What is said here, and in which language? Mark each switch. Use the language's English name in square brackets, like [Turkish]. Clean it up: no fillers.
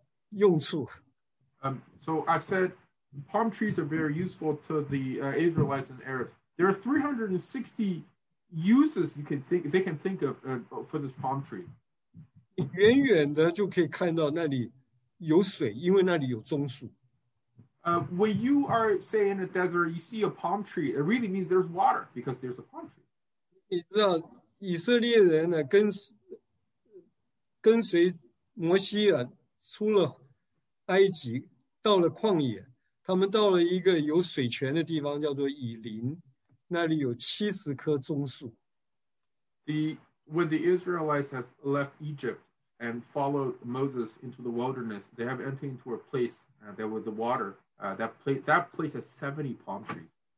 [Chinese] 每一样东西都有用。他们中东的人说的，大概有360种的用处。 [English] So I said palm trees are very useful to the Israelites and Arabs. There are 360 uses they can think of for this palm tree. [Chinese] 远远的就可以看到那里有水，因为那里有棕树。 [English] When you are say in a desert, you see a palm tree, it really means there's water because there's a palm tree. [Chinese] 你知道，以色列人呢，跟随摩西啊，出了埃及，到了旷野，他们到了一个有水泉的地方，叫做以林，那里有70棵棕树。 [English] When the Israelites have left Egypt and followed Moses into the wilderness, they have entered into a place that was the water. That place has 70 palm trees.